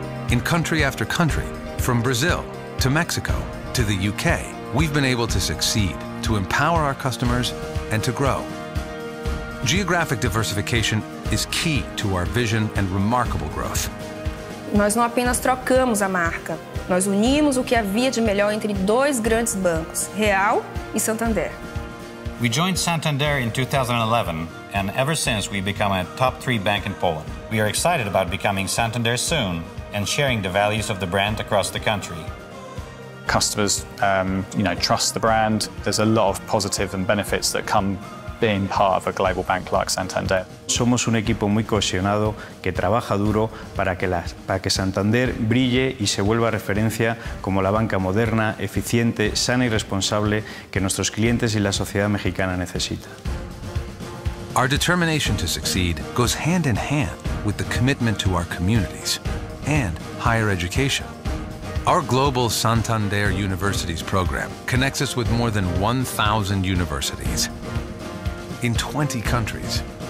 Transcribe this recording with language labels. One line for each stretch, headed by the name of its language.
English: In country after country, from Brazil to Mexico to the UK, we've been able to succeed, to empower our customers, and to grow. Geographic diversification is key to our vision and remarkable growth.
Portuguese: Nós não apenas trocamos a marca, nós unimos o que havia de melhor entre dois grandes bancos, Real e Santander.
English: We joined Santander in 2011, and ever since we've become a top three bank in Poland. We are excited about becoming Santander soon and sharing the values of the brand across the country. Customers, you know, trust the brand. There's a lot of positive and benefits that come being part of a global bank like Santander.
Spanish: Somos un equipo muy cohesionado que trabaja duro para que Santander brille y se vuelva referencia como la banca moderna, eficiente, sana y responsable que nuestros clientes y la sociedad mexicana necesita.
English: Our determination to succeed goes hand in hand with the commitment to our communities and higher education. Our global Santander Universities program connects us with more than 1,000 universities in 20 countries.